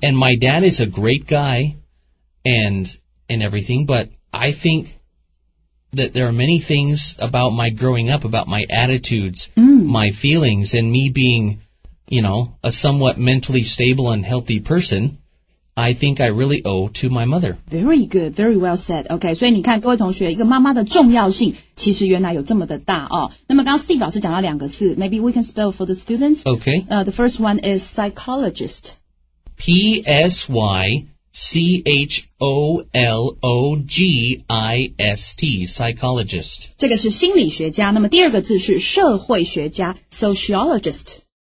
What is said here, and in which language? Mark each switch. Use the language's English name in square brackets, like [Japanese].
[English] And my dad is a great guy and everything, but... I think that there are many things about my growing up, about my attitudes,、 mm. my feelings, and me being, you know, a somewhat mentally stable and healthy person, I think I really owe to my mother. Very good. Very well said. Okay. [Chinese] 所以你看各位同学一个妈妈的重要性其实原来有这么的大、哦、那么刚刚 Steve 老师讲到两个字 Maybe we can spell for the students. [English] Okay.、 The first one is psychologist. P-S-Y... Psychologist, psychologist. [Chinese] 这个是心理学家。那么第二个字是社会学家 ,sociologist.